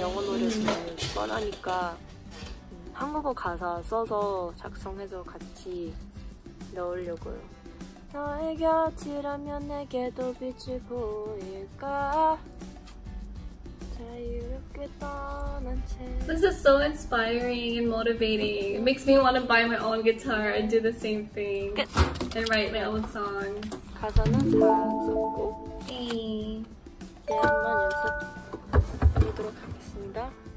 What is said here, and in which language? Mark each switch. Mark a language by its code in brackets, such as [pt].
[ko] 영어 노래는 뻔하니까 한국어 가사 써서 작성해서 같이 넣으려고요. 너의 곁이라면 내게도 빛이 보일까? 자유롭게 떠난 채 [en] This is so inspiring and motivating. It makes me want to buy my own guitar and do the same thing. And write my own song. [ko] 가사는 다 썼고 제안만 연습하도록 하겠습니다.